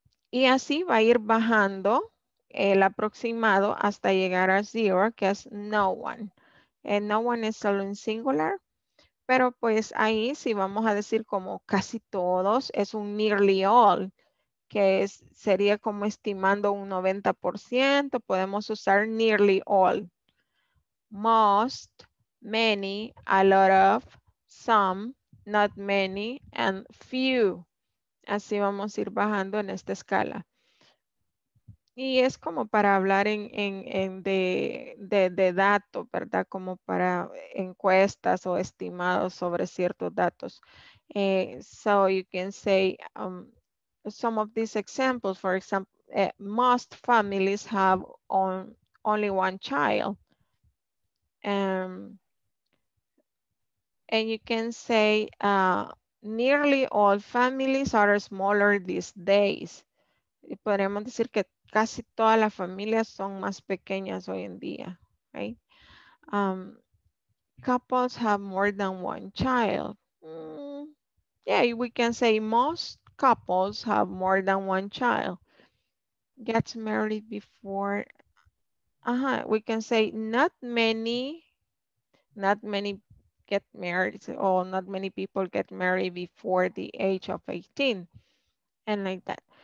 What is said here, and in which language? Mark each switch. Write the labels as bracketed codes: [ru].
[es] Y así va a ir bajando el aproximado hasta llegar a zero, que es no one. No one es solo en singular, pero pues ahí sí vamos a decir como casi todos, es un nearly all, que es, sería como estimando un 90%, podemos usar nearly all. [en] Most, many, a lot of, some, not many, and few. [es] Así vamos a ir bajando en esta escala. Y es como para hablar de datos, ¿verdad? Como para encuestas o estimados sobre ciertos datos. [en] So you can say some of these examples, for example, most families have only one child. And you can say nearly all families are smaller these days. [es] Y podríamos decir que casi todas las familias son más pequeñas hoy en día, right? [en] Couples have more than one child. We can say most couples have more than one child. Gets married before. We can say not many get married, or not many people get married before the age of 18, and like that.